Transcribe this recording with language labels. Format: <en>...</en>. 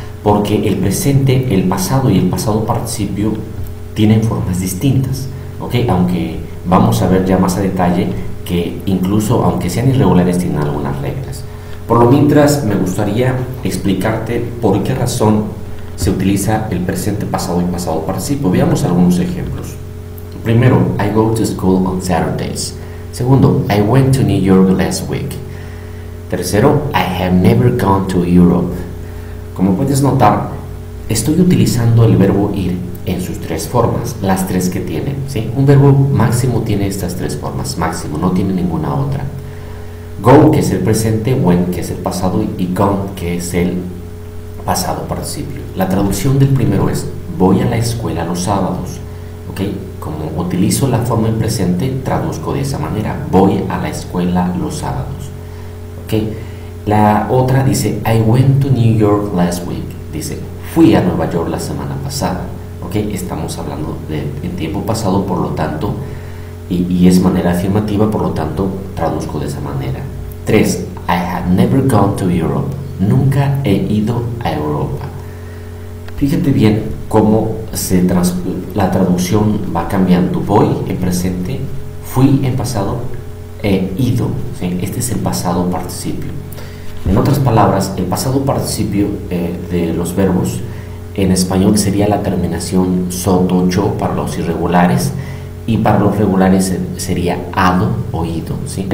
<es>Porque el presente, el pasado y el pasado participio tienen formas distintas, ¿ok? Aunque vamos a ver ya más a detalle que incluso aunque sean irregulares tienen algunas reglas. Por lo mientras, me gustaría explicarte por qué razón se utiliza el presente, pasado y pasado participio. Veamos algunos ejemplos. Primero,</es> <en>I go to school on Saturdays.</en> <es>Segundo,</es> <en>I went to New York last week.</en> <es>Tercero,</es> <en>I have never gone to Europe.</en> <es>Como puedes notar, estoy utilizando el verbo ir en sus tres formas, las tres que tiene, ¿sí? Un verbo máximo tiene estas tres formas, máximo, no tiene ninguna otra. Go, que es el presente, when, que es el pasado, y gone, que es el pasado participio. La traducción del primero es, voy a la escuela los sábados, ¿ok? Como utilizo la forma en presente, traduzco de esa manera, voy a la escuela los sábados, ¿ok? La otra dice,</es> <en>I went to New York last week.</en> <es>Dice, fui a Nueva York la semana pasada. ¿Ok? Estamos hablando de en tiempo pasado, por lo tanto, y es manera afirmativa, por lo tanto, traduzco de esa manera. Tres,</es> <en>I have never gone to Europe.</en> <es>Nunca he ido a Europa. Fíjate bien cómo la traducción va cambiando. Voy en presente, fui en pasado, he ido. ¿Sí? Este es el pasado participio. En otras palabras, el pasado participio de los verbos en español sería la terminación soto-cho para los irregulares y para los regulares sería ado o ido, ¿sí?</es>